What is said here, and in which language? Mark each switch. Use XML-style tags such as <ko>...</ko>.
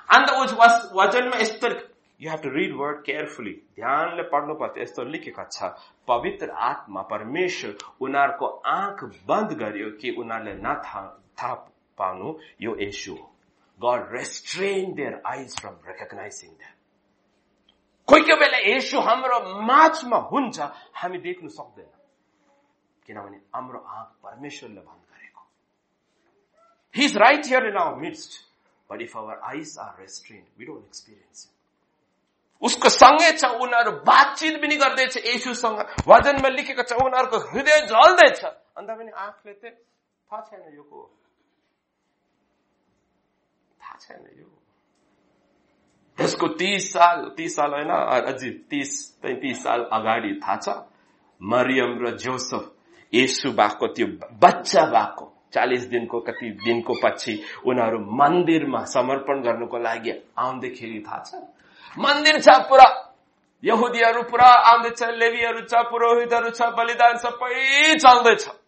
<ne>अन्त उस भजनमा यस्तो,</ne> <en>you have to read word carefully,</en> <ne>ध्यानले पढ्नु पर्छ, यस्तो लेखेको छ, पवित्र आत्मा परमेश्वर उनीहरूको आँख बन्द गर्यो कि उनीहरूले न थाहा पाउनु यो येशु हो।</ne> <en>God restrain their eyes from recognizing them.</en> <ne>कोही कोही बेला येशु हाम्रो माझमा हुन्छ, हामी देख्न सक्दैन, किनभने हाम्रो आँख परमेश्वरले बन्द गरेको।</ne> <en>He is right here in our midst, but if our eyes are restrain, we don't experience.</en> <ne>उसको सँगै छ, उनीहरू बातचित पनि गर्दैछ येशुसँग, वचनमा लेखेको छ उनीहरूको हृदय जल्दैछ, अन्त पनि आँखले चाहिँ थाहा छैन यो को, थाहा छैन यो। त्यसको 30 साल होइन, अझै 30-35 साल अगाडि थाहा छ, मरियम र जोसेफ येशु भएको त्यो बच्चा भएको 40 दिनको कति दिनको पछि उनीहरू मन्दिरमा समर्पण गर्नुको लागि आउँदाखेरि थाहा छ, मन्दिर छ पुरा, यहुदीहरू पुरा आउँदैछ, लेवीहरू छ, पुरोहितहरू छ, बलिदान सबै चल्दैछ।</ne>